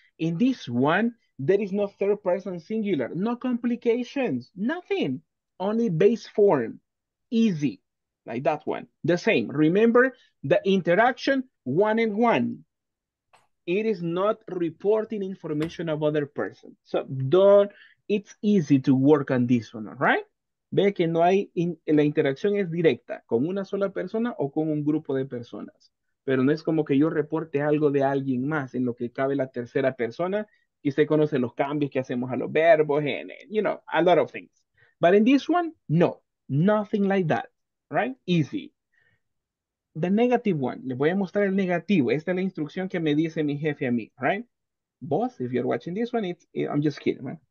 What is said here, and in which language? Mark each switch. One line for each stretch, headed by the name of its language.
English: In this one, there is no third person singular, no complications, nothing, only base form, easy, like that one. The same, remember the interaction one and one. It is not reporting information of other person. So it's easy to work on this one, all right?
Spanish: Ve que no hay, la interacción es directa, con una sola persona o con un grupo de personas. Pero no es como que yo reporte algo de alguien más en lo que cabe la tercera persona. Y usted conoce los cambios que hacemos a los verbos,
English: a lot of things. But in this one, no, nothing like that, right? Easy. The negative one,
Spanish: le voy a mostrar el negativo. Esta es la instrucción que me dice mi jefe a mí, right?
English: Boss, if you're watching this one, I'm just kidding, man.